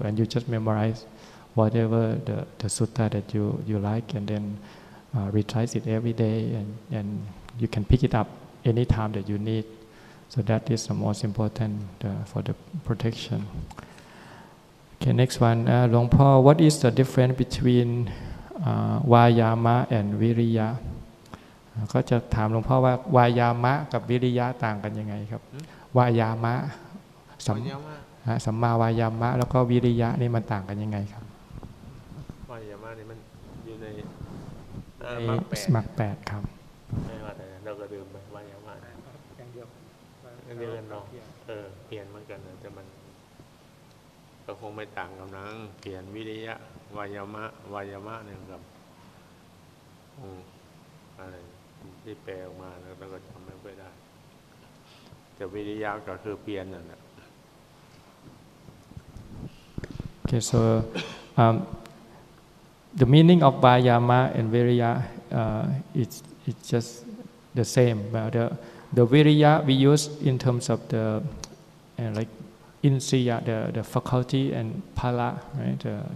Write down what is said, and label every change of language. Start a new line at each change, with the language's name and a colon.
English: And you just memorize whatever the sutta that you like and then retrace it every day and you can pick it up anytime that you need. So that is the most important for the protection. Okay, next one. Luang Por, what is the difference between Vayama and Viriya?
Thai: ก็จะถามหลวงพ่อว่าวายามะกับวิริยะต่างกันยังไงครับวายามะสัมมาวายามะแล้วก็วิริยะนี่มันต่างกันยังไงครับ วายามะนี่มันอยู่ใน มรรค8ครับ ไม่ว่าแต่เราก็ลืมไปวายามะ อย่างเดียว เรียนเนาะเปลี่ยนเหมือนกันแต่มันก็คงไม่ต่างกันนะเปลี่ยนวิริยะวายามะนี่ครับอะไรที่แปลออกมาแล้วก็จำไม่ค่อยได้แต่วิริยะก็คือเพียรนั่นแหละ
English: Okay, so the meaning of Vayama and Viriya it's just the same. But the Viriya we use in terms of the like insiya, the faculty and pala, right?